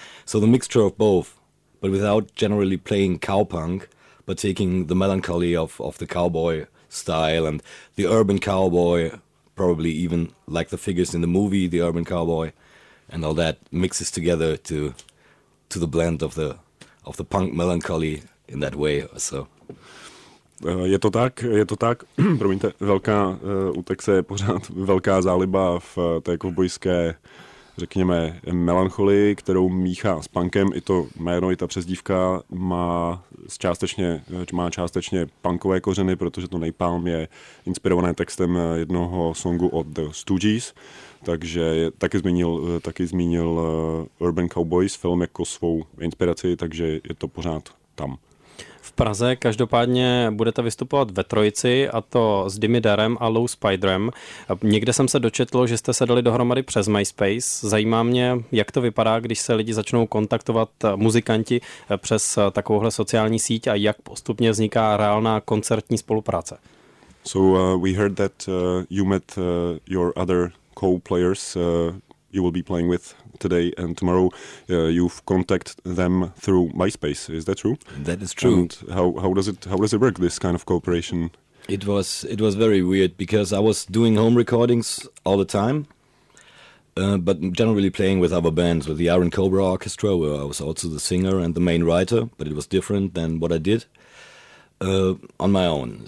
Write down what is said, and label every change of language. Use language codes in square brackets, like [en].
[en] So the mixture of both, but without generally playing cowpunk, but taking the melancholy of the cowboy style and the urban cowboy, probably even like the figures in the movie The Urban Cowboy, and all that mixes together to the blend of the punk melancholy in that way. So [cs] je to tak. Promiňte, velká u Texe je pořád velká záliba v té kovbojské, řekněme, melancholii, kterou míchá s punkem. I to jméno, i ta přezdívka má částečně punkové kořeny, protože to Napalm je inspirované textem jednoho songu od The Stooges, takže taky zmínil Urban Cowboys film jako svou inspiraci, takže je to pořád tam. V Praze každopádně budete vystupovat ve trojici, a to s Dimmy Darem a Low Spiderem. Někde jsem se dočetl, že jste se dali dohromady přes MySpace. Zajímá mě, jak to vypadá, když se lidi začnou kontaktovat, muzikanti, přes takovouhle sociální síť, a jak postupně vzniká reálná koncertní spolupráce. [en] So we heard that you met your other co-players you will be playing with today and tomorrow. You've contacted them through MySpace. Is that true? That is true. And how does it work, this kind of cooperation? It was very weird, because I was doing home recordings all the time, but generally playing with other bands, with the Iron Cobra Orchestra, where I was also the singer and the main writer, but it was different than what I did on my own.